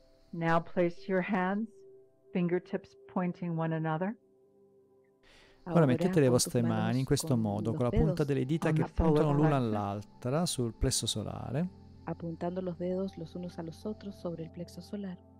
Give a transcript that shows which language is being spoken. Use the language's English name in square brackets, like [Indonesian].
[English] Now place your hands, fingertips pointing one another. [Italian] Ora mettete le vostre mani in questo modo, con la punta delle dita che puntano l'una all'altra sul plesso solare. [Spanish] Appuntando los dedos los unos a los otros sobre el plexo solar.